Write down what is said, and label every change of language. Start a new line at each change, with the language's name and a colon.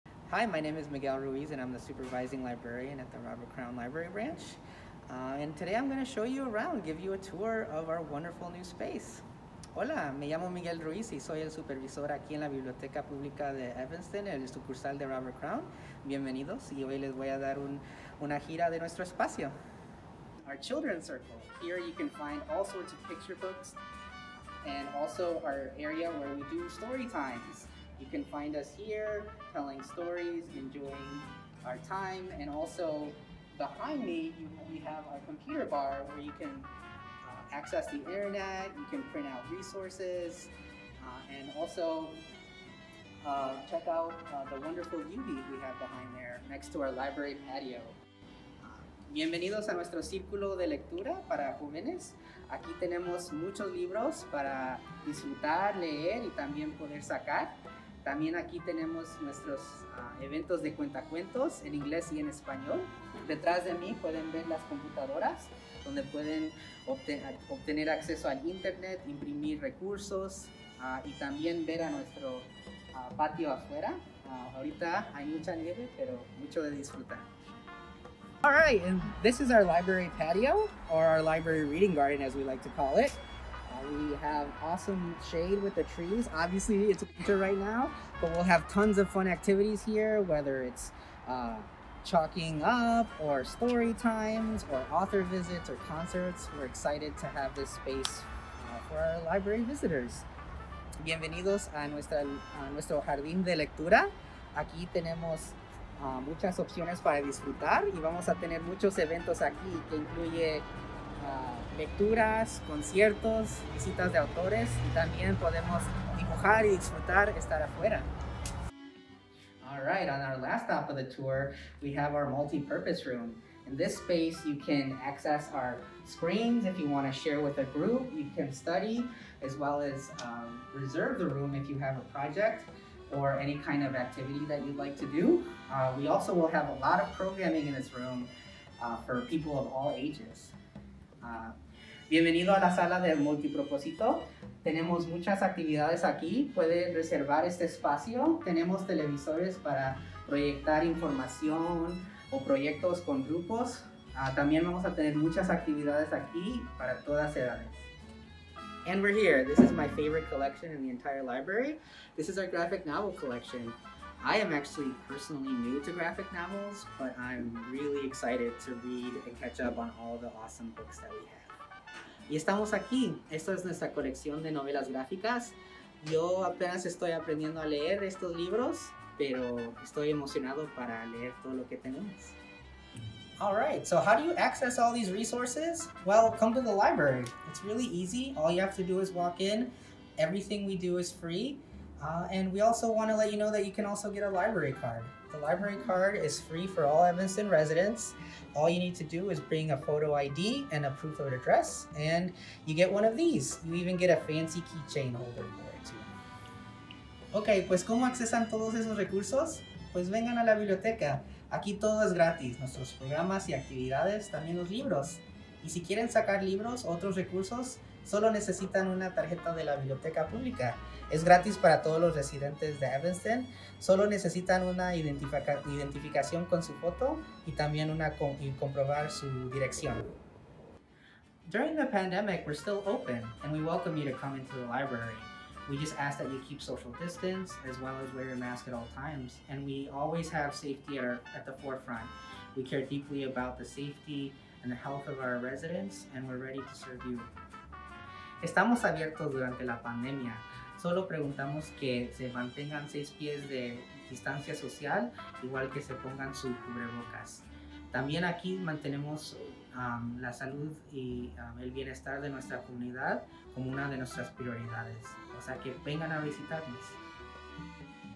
English: Hi, my name is Miguel Ruiz, and I'm the supervising librarian at the Robert Crown Library Branch. And today I'm going to show you around, give you a tour of our wonderful new space.
Spanish: Hola, me llamo Miguel Ruiz y soy el supervisor aquí en la Biblioteca Pública de Evanston, el sucursal de Robert Crown. Bienvenidos, y hoy les voy a dar una gira de nuestro espacio.
English: Our children's circle. Here you can find all sorts of picture books and also our area where we do story times. You can find us here telling stories, enjoying our time, and also behind me we have our computer bar where you can access the internet, you can print out resources, and also check out the wonderful UV we have behind there next to our library patio.
Spanish: Bienvenidos a nuestro círculo de lectura para jóvenes. Aquí tenemos muchos libros para disfrutar, leer y también poder sacar. También aquí tenemos nuestros eventos de cuentacuentos en inglés y en español. Detrás de mí pueden ver las computadoras donde pueden obtener acceso al internet, imprimir recursos y también ver a nuestro patio afuera. Ahorita hay mucha nieve, pero mucho de disfrutar.
English: All right, and this is our library patio, or our library reading garden, as we like to call it. We have awesome shade with the trees. Obviously, it's winter right now, but we'll have tons of fun activities here, whether it's chalking up, or story times, or author visits, or concerts. We're excited to have this space for our library visitors.
Spanish: Bienvenidos a nuestro jardín de lectura. Aquí tenemos muchas opciones para disfrutar y vamos a tener muchos eventos aquí que incluye lecturas, conciertos, visitas de autores y también podemos dibujar y disfrutar estar afuera.
English: All right, on our last stop of the tour, we have our multi-purpose room. In this space, you can access our screens if you want to share with a group. You can study as well as reserve the room if you have a project or any kind of activity that you'd like to do. We also will have a lot of programming in this room for people of all ages.
Spanish: Bienvenido a la sala del multipropósito. Tenemos muchas actividades aquí. Puede reservar este espacio. Tenemos televisores para proyectar información o proyectos con grupos. También vamos a tener muchas actividades aquí para todas edades.
English: And we're here. This is my favorite collection in the entire library. This is our graphic novel collection. I am actually personally new to graphic novels, but I'm really excited to read and catch up on all the awesome books that we have.
Spanish: Y estamos aquí. Esta es nuestra colección de novelas gráficas. Yo apenas estoy aprendiendo a leer estos libros, pero estoy emocionado para leer todo lo que tenemos.
English: All right, so how do you access all these resources? Well, come to the library. It's really easy. All you have to do is walk in. Everything we do is free. And we also want to let you know that you can also get a library card. The library card is free for all Evanston residents. All you need to do is bring a photo ID and a proof of address, and you get one of these. You even get a fancy keychain holder for it too.
Spanish: Okay, pues ¿cómo accesan todos esos recursos? Pues vengan a la biblioteca. Aquí todo es gratis, nuestros programas y actividades, también los libros. Y si quieren sacar libros, otros recursos, solo necesitan una tarjeta de la biblioteca pública. Es gratis para todos los residentes de Evanston. Solo necesitan una identificación con su foto y también comprobar su dirección.
English: During the pandemic, we're still open and we welcome you to come into the library. We just ask that you keep social distance as well as wear your mask at all times. And we always have safety at the forefront. We care deeply about the safety and the health of our residents, and we're ready to serve you.
Spanish: Estamos abiertos durante la pandemia. Solo preguntamos que se mantengan 6 pies de distancia social, igual que se pongan su cubrebocas. También aquí mantenemos la salud y el bienestar de nuestra comunidad como una de nuestras prioridades. O sea que vengan a visitarnos.